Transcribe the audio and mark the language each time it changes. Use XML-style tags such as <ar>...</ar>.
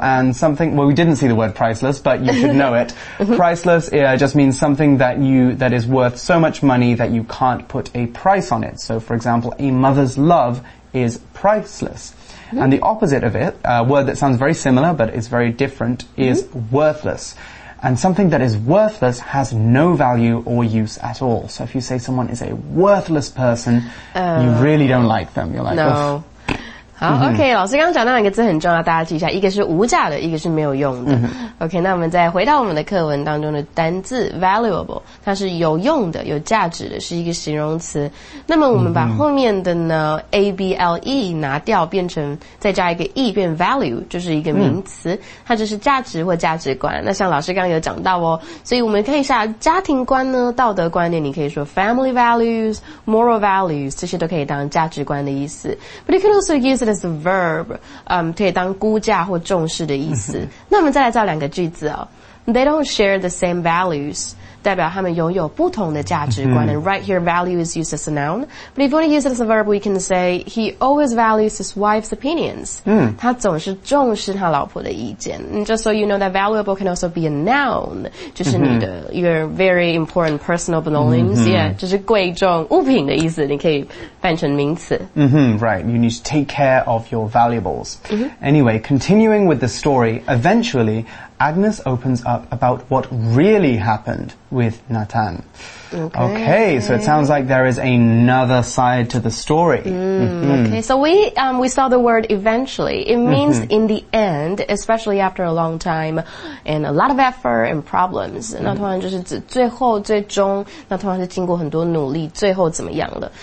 <en>And something, well, we didn't see the word priceless, but you should know it. Priceless, yeah, just means something that is worth so much money that you can't put a price on it. So, for example, a mother's love is priceless. Mm-hmm. And the opposite of it, a word that sounds very similar but is very different, is worthless. And something that is worthless has no value or use at all. So if you say someone is a worthless person, you really don't like them. You're like, no.</en> <zh>OK, 老师刚刚讲到两个字很重要，大家记一下，一个是无价的，一个是没有用的。 OK, 那我们再回到我们的课文当中的单字 valuable, 它是有用的，有价值的，是一个形容词。那么我们把后面的呢 ,able 拿掉，变成再加一个 e, 变 value, 就是一个名词，它就是价值或价值观。那像老师刚刚有讲到哦，所以我们可以下家庭观呢，道德观念，你可以说</zh> <en>family values, moral values,</en> <zh>这些都可以当价值观的意思。</zh> <en>But you can also use it as a verb,</en> <zh>可以当估价或重视的意思。那我们再来造两个句子哦。</zh> <en>They don't share the same values,</en> <zh>代表他们拥有不同的价值观。</zh> <en>And right here, value is used as a noun. But if you want to use it as a verb, we can say, he always values his wife's opinions.</en> <zh>他总是重视他老婆的意见。</zh> <en>And just so you know that valuable can also be a noun,</en> <zh>就是你的</zh> <en>your very important personal belongings.</en> <zh>Yeah, 就是贵重物品的意思。你可以变成名词。</zh> <en>Right, you need to take care of your valuables. Anyway, continuing with the story, eventually,Agnes opens up about what really happened with Nathan. Okay, so it sounds like there is another side to the story. Okay, so we saw the word eventually. It means in the end, especially after a long time and a lot of effort and problems.</en> <zh>那通常就是指最后、最终，那通常是经过很多努力，最后怎么样了？</zh>